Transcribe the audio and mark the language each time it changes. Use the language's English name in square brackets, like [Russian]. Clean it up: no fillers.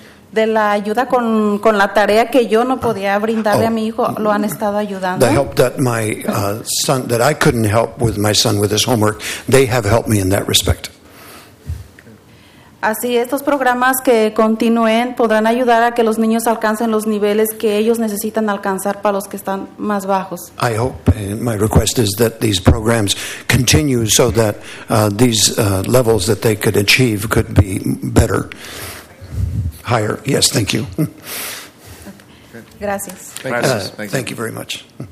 [Spanish] De la ayuda con la tarea que yo no podía brindarle a mi hijo, lo han estado ayudando. [English] The help that my son, that I couldn't help with my son with his homework, they have helped me in that respect. [Spanish] Así, estos programas que continúen podrán ayudar a que los niños alcancen los niveles que ellos necesitan alcanzar para los que están más bajos. [English] I hope, and my request is that these programs continue so that these levels that they could achieve could be better, higher. Yes, thank you. Okay. [Spanish] Gracias. [English] Thank you very much.